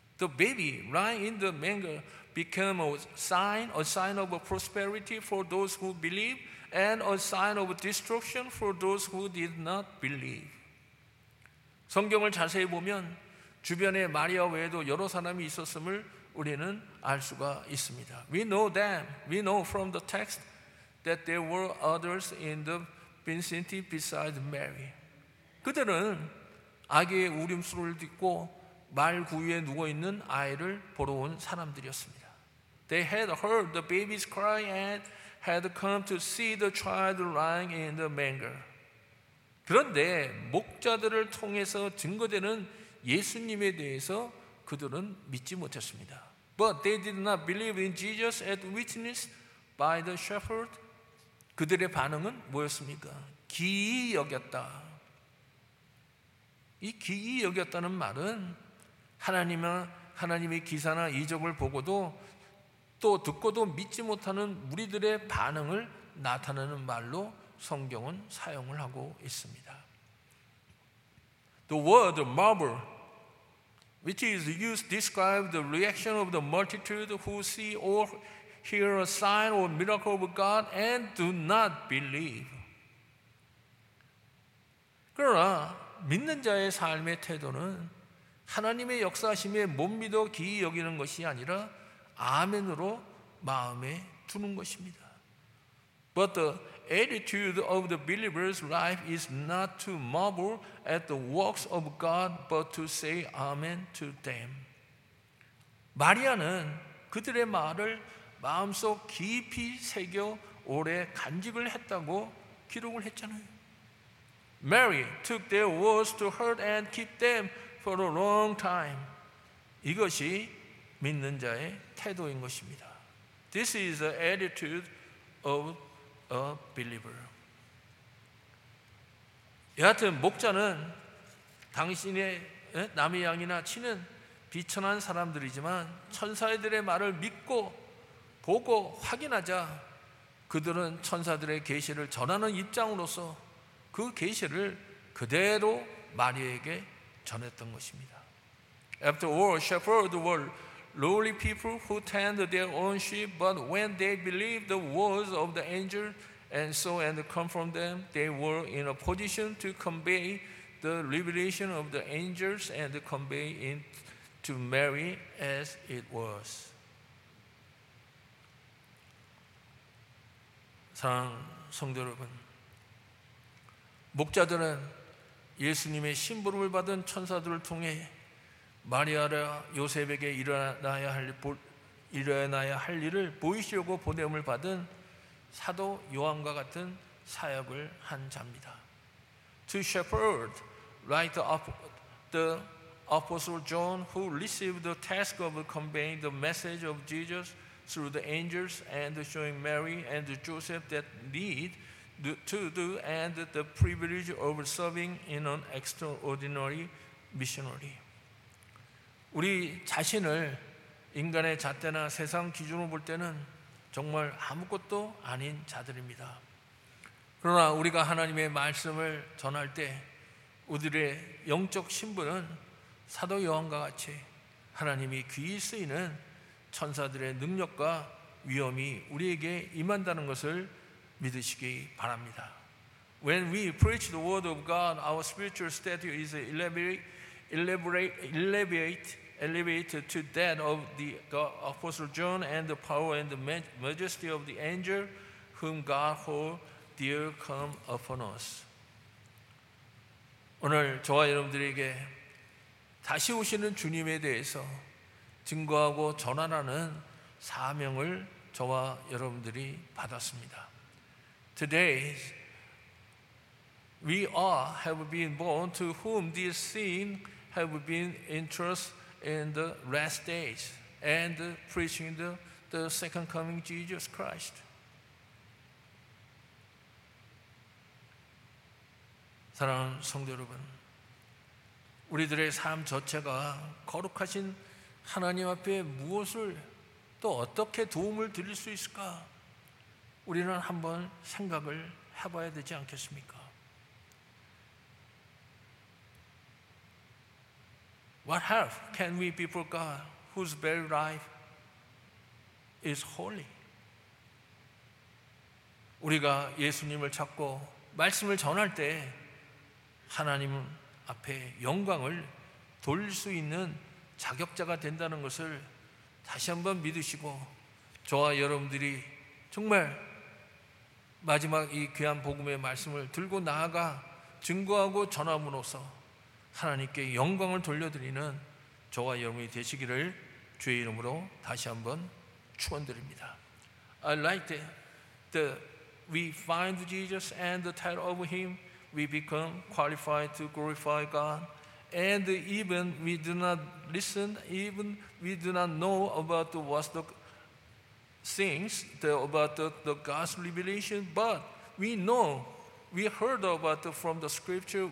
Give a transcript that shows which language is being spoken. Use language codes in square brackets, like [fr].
[en] The baby lying in the manger became a sign of prosperity for those who believe and a sign of destruction for those who did not believe. [ko] 성경을 자세히 보면 주변에 마리아 외에도 여러 사람이 있었음을 우리는 알 수가 있습니다. [en] We know from the text that there were others in the vicinity besides Mary. [ko] 그들은 아기의 울음소리를 듣고 말 구유에 누워있는 아이를 보러 온 사람들이었습니다. [en] They had heard the baby's cry and had come to see the child lying in the manger. [ko] 그런데 목자들을 통해서 증거되는 예수님에 대해서 그들은 믿지 못했습니다. [en] But they did not believe in Jesus as witnessed by the shepherd. [ko] 그들의 반응은 뭐였습니까? 기이 여겼다. 이 기이 여겼다는 말은 하나님의 기사나 이적을 보고도 또 듣고도 믿지 못하는 우리들의 반응을 나타내는 말로 성경은 사용을 하고 있습니다. [en] The word marvel, which is used to describe the reaction of the multitude who see or hear a sign or miracle of God and do not believe. [ko] 그러나 믿는 자의 삶의 태도는 하나님의 역사심에 못 믿어 기이 여기는 것이 아니라 아멘으로 마음에 두는 것입니다. [en] But the attitude of the believer's life is not to marvel at the works of God, but to say amen to them. [ko] 마리아는 그들의 말을 마음속 깊이 새겨 오래 간직을 했다고 기록을 했잖아요. [en] Mary took their words to heart and kept them for a long time. [ko] 이것이 믿는 자의 태도인 것입니다. [en] This is the attitude of a believer. [ko] 여하튼 목자는 당신의 남의 양이나 치는 비천한 사람들이지만 천사들의 말을 믿고 보고 확인하자 그들은 천사들의 계시를 전하는 입장으로서 그 계시를 그대로 마리아에게 전했던 것입니다. [en] After all, shepherds were lowly people who tend their own sheep, but when they believed the words of the angel and saw and confirmed them, they were in a position to convey the revelation of the angels and convey it to Mary as it was. [ko] 사랑 성도 여러분, 목자들은 예수님의 심부름을 받은 천사들을 통해 마리아라 요셉에게 일어나야 할 일을 보이시려고 보냄을 받은 사도 요한과 같은 사역을 한 자입니다. [en] To shepherd, like the apostle John, who received the task of conveying the message of Jesus through the angels and showing Mary and Joseph that need to do and the privilege of serving in an extraordinary missionary. [ko] 우리 자신을 인간의 잣대나 세상 기준으로 볼 때는 정말 아무것도 아닌 자들입니다. 그러나 우리가 하나님의 말씀을 전할 때 우리들의 영적 신분은 사도 요한과 같이 하나님이 귀히 쓰이는 천사들의 능력과 위엄이 우리에게 임한다는 것을 믿으시기 바랍니다. [en] When we preach the word of God, our spiritual status is elevated to that of the Apostle John and the power and the majesty of the angel whom God holds dear come upon us. [ko] 오늘 저와 여러분들에게 다시 오시는 주님에 대해서 증거하고 전하라는 사명을 저와 여러분들이 받았습니다. [en] Today, we all have been born to whom this scene have been entrusted in the last days and preaching the second coming Jesus Christ. [ko] 사랑하는 성도 여러분, 우리들의 삶 자체가 거룩하신 하나님 앞에 무엇을 또 어떻게 도움을 드릴 수 있을까? 우리는 한번 생각을 해봐야 되지 않겠습니까? [en] What help can we be for God whose very life is holy? [ko] 우리가 예수님을 찾고 말씀을 전할 때 하나님 앞에 영광을 돌릴 수 있는 자격자가 된다는 것을 다시 한번 믿으시고 저와 여러분들이 정말 마지막 이 귀한 복음의 말씀을 들고 나아가 증거하고 전함으로써 하나님께 영광을 돌려드리는 저와 여러분이 되시기를 주의 이름으로 다시 한번 축원드립니다. [en] I like that we find Jesus and the title of him. We become qualified to glorify God, and even we do not listen, even we do not know about what the things about the God's revelation, but we know, we heard about from the Scripture.